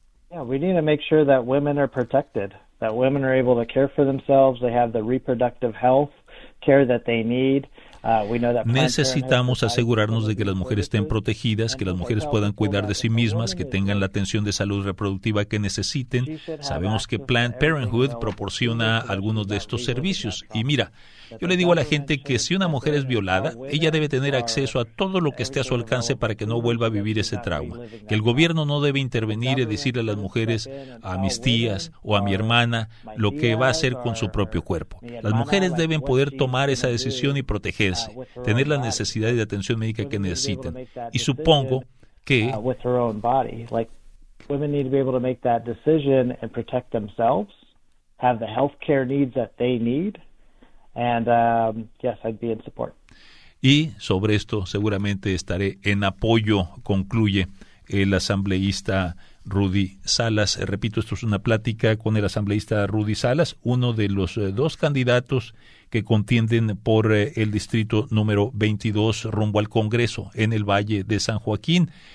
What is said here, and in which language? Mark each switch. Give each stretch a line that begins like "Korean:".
English: Yeah, we need to make sure that women are protected, that women are able to care for themselves, they have the reproductive health care that they need.
Spanish: Necesitamos asegurarnos de que las mujeres estén protegidas, que las mujeres puedan cuidar de sí mismas, que tengan la atención de salud reproductiva que necesiten. Sabemos que Planned Parenthood proporciona algunos de estos servicios. Y mira, yo le digo a la gente que si una mujer es violada, ella debe tener acceso a todo lo que esté a su alcance para que no vuelva a vivir ese trauma. Que el gobierno no debe intervenir y decirle a las mujeres, a mis tías o a mi hermana, lo que va a hacer con su propio cuerpo. Las mujeres deben poder tomar esa decisión y proteger. Tener la necesidad de atención médica que necesiten. Y supongo que
English: with her own body. Like, women need to be able to make that decision and protect themselves, have the health care needs that they need, and yes, I'd be in support.
Spanish: Y sobre esto seguramente estaré en apoyo, concluye el asambleísta Rudy Salas. Repito, esto es una plática con el asambleísta Rudy Salas, uno de los dos candidatos que contienden por el distrito número 22 rumbo al Congreso en el Valle de San Joaquín.